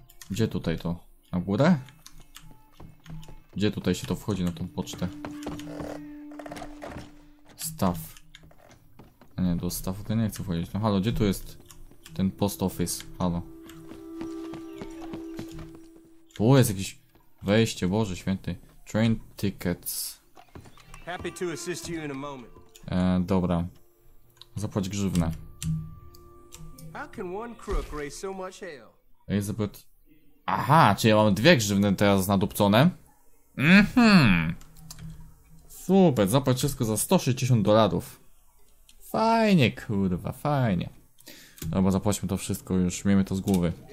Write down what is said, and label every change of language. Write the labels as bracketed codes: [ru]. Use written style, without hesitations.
[pl] Gdzie tutaj to? Na górę? Gdzie tutaj się to wchodzi na tą pocztę? Staw. A nie, do stawu to nie chcę wchodzić. No halo, gdzie tu jest ten post office? Halo. Tu jest jakieś wejście, Boże Święty. [en] Train tickets. Happy to assist you in a moment. [pl] Dobra. Zapłać grzywnę. [en] How can one crook raise so much hell? Elizabeth. [pl] Aha, czyli ja mam dwie grzywny teraz nadupcone. Mhm. Super, zapłać wszystko za 160 dolarów. Fajnie, kurwa, fajnie. Dobra, zapłaćmy to wszystko, już miejmy to z głowy.